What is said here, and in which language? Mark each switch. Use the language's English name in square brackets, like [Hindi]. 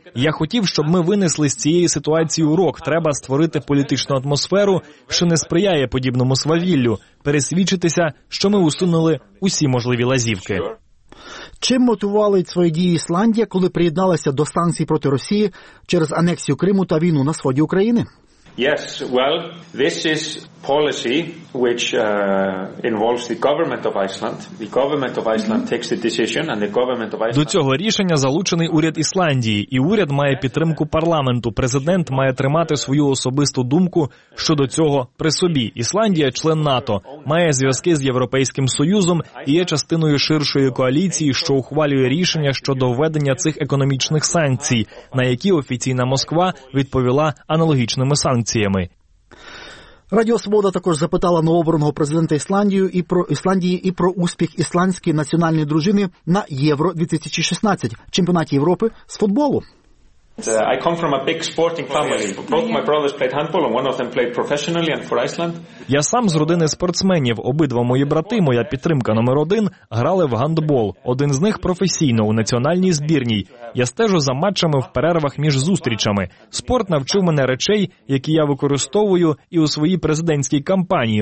[Ukrainian] Я хотів, щоб ми винесли з цієї ситуації урок. Треба створити політичну атмосферу, що не сприяє подібному свавіллю, пересвідчитися, що ми усунули усі можливі лазівки. Чим мотивували свої дії Ісландія, коли приєдналася до санкцій проти Росії через анексію Криму та війну на сході України? [English] Yes, well, this is policy which involves the government of Iceland. The government of Iceland takes the decision and the government of Iceland. [Ukrainian] До цього рішення залучений уряд Ісландії, і уряд має підтримку парламенту. Президент має тримати свою особисту думку щодо цього при собі. Ісландія член НАТО, має зв'язки з Європейським Союзом і є частиною ширшої коаліції, що ухвалює рішення щодо введення цих економічних санкцій, на які офіційна Москва відповіла аналогічними санкціями. Радіо «Свобода» також запитала новообраного президента Ісландії і про Ісландії і про успіх ісландської національної дружини на Євро-2016, чемпіонаті Європи з футболу. [English] I come from a big sporting family. Both my brothers played handball and one of them played professionally and for Iceland. [Ukrainian] Я сам з родини спортсменів. Обидва мої брати, моя підтримка номер один, грали в гандбол. Один з них професійно у національній збірній. Я стежу за матчами в перервах між зустрічами. Спорт навчив мене речей, які я використовую і у своїй президентській кампанії.